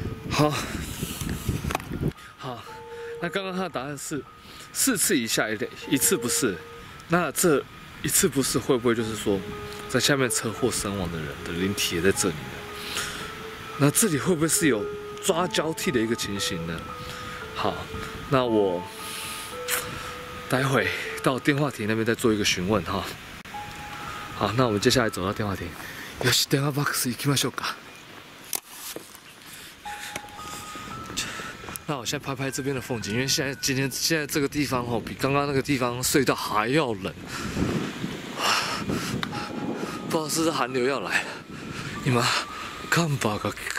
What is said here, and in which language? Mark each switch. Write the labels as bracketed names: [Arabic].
[Chinese] 好，好，那刚刚他的答案是四次以下一次不是，那这一次不是会不会就是说在下面车祸身亡的人的灵体也在这里呢？那这里会不会是有抓交替的一个情形呢？好，那我待会到电话亭那边再做一个询问哈。好，那我们接下来走到电话亭。 [Japanese] よし、電話ボックス行きましょうか。 [Chinese] 那我先拍拍这边的风景，因为现在这个地方哦，比刚刚那个地方隧道还要冷。不知道是不是寒流要来了。 [Japanese] 今、寒波が。